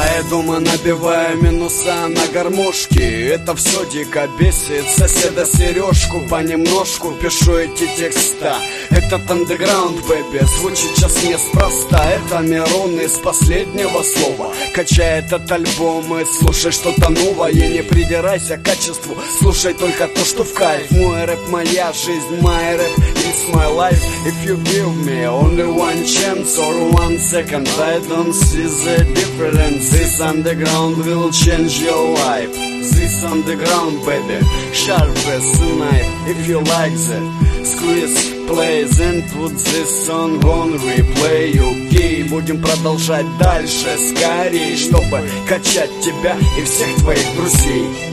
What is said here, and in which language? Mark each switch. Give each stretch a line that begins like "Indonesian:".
Russian: дома набивая минуса на гармошке. Это все дико бесит соседа Сережку. Понемножку пишу эти текста. Этот андеграунд, бэби, звучит сейчас неспроста. Это Мирон из последнего слова качает от альбома. Слушай что-то новое, не придирайся к качеству, слушай только то, что в кайф. Мой рэп, моя жизнь,
English: my rap, it's my life. If you give me only one chance or one second, I don't see the difference. This underground will change your life. This underground, baby, sharp as a knife. If you like that, squeeze, play, then put this song on replay.
Russian: Okay, будем продолжать дальше, скорей, чтобы качать тебя и всех твоих друзей.